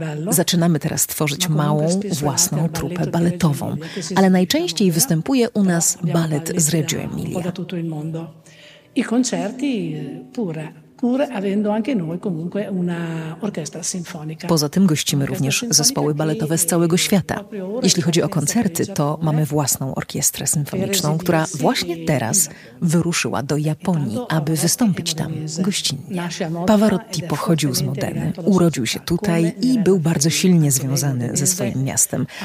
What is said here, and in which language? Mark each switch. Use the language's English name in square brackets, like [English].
[Polish] Zaczynamy teraz tworzyć małą, własną trupę baletową, ale najczęściej występuje u nas balet z Reggio Emilia. I koncerty pure. [Italian] Avendo anche noi comunque una orchestra sinfonica. [Polish] Poza tym gościmy również zespoły baletowe z całego świata. Jeśli chodzi o koncerty, to mamy własną orkiestrę symfoniczną, która właśnie teraz wyruszyła do Japonii, aby wystąpić tam gościnnie. Pavarotti pochodził z Modeny, urodził się tutaj i był bardzo silnie związany ze swoim miastem.